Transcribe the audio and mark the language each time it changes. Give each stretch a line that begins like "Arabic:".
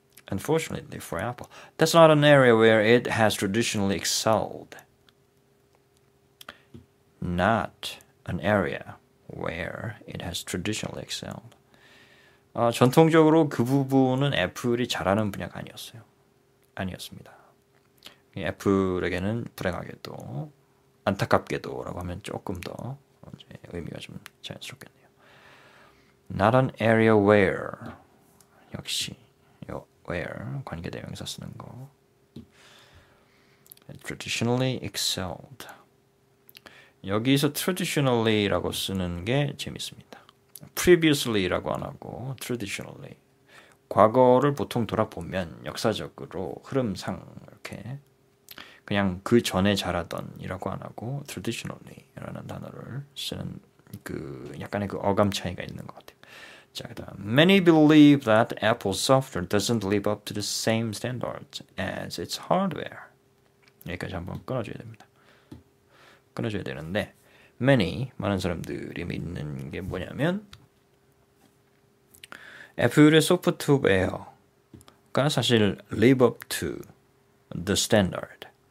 English: Unfortunately for Apple, that's not an area where it has traditionally excelled. Not an area where it has traditionally excelled.
Korean: 전통적으로 그 부분은 애플이 잘하는 분야가 아니었어요. 아니었습니다. 애플에게는 불행하게도, 안타깝게도라고 하면 조금 더 의미가 좀 자연스럽겠네요.
English: Not an area where.
Korean: 역시. Where 관계대명사 쓰는 거 traditionally excelled 여기서 traditionally라고 쓰는 게 재밌습니다. previously라고 안 하고 traditionally 과거를 보통 돌아보면 역사적으로 흐름상 이렇게 그냥 그 전에 자라던이라고 안 하고 traditionally라는 단어를 쓰는 그 약간의 그 어감 차이가 있는 것 같아요. 자, 그다음.
English: Many believe that Apple's software doesn't live up to the same standards as its hardware.
Korean: 여기까지 한번 끊어줘야 됩니다. 끊어줘야 되는데, many, 많은 사람들이 믿는 게 뭐냐면, 애플의 소프트웨어가 사실
English: live up to the standard.